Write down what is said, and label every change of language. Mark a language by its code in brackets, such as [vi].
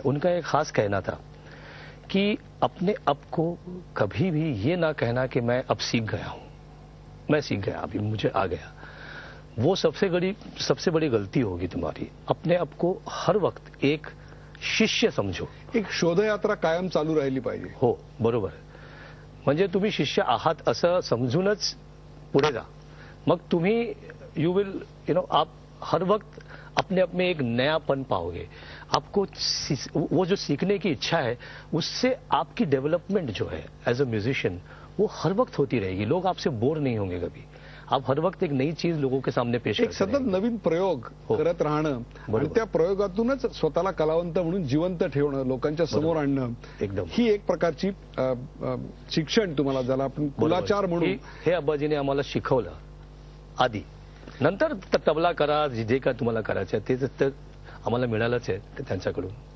[hi] उनका एक खास कहना था कि अपने आप को कभी भी ये ना कहना कि मैं अब सीख गया हूं, मैं सीख गया, अभी मुझे आ गया. वो सबसे बड़ी गलती होगी तुम्हारी. अपने आप को हर वक्त एक शिष्य समझो. [mr] एक शोध यात्रा कायम चालू राहिली पाहिजे. हो, बरोबर. म्हणजे तुम्ही शिष्य आहात असं समजूनच पुढे जा, मग तुम्ही [en] you will you know [hi] आप हर वक्त अपने आप में एक नयापन पाओगे. आपको वो जो सीखने की इच्छा है उससे आपकी डेवलपमेंट जो है [en] as a musician [hi] वो हर वक्त होती रहेगी. लोग आपसे बोर नहीं होंगे कभी. आप हर वक्त एक नई चीज लोगों के सामने पेश करते हैं. [mr] एक सतत नवीन प्रयोग करत राहणं आणि त्या प्रयोगातूनच स्वतःला कलावंत म्हणून जिवंत ठेवणं, लोकांच्या समोर आणणं, एकदम ही एक प्रकारची शिक्षण तुम्हाला झालं, आपण कुलाचार म्हणून. हे अब्बाजीने आम्हाला शिकवलं आधी, नंतर तबला करा, जे काय तुम्हाला करायचं आहे ते तर आम्हाला मिळालंच आहे त्यांच्याकडून.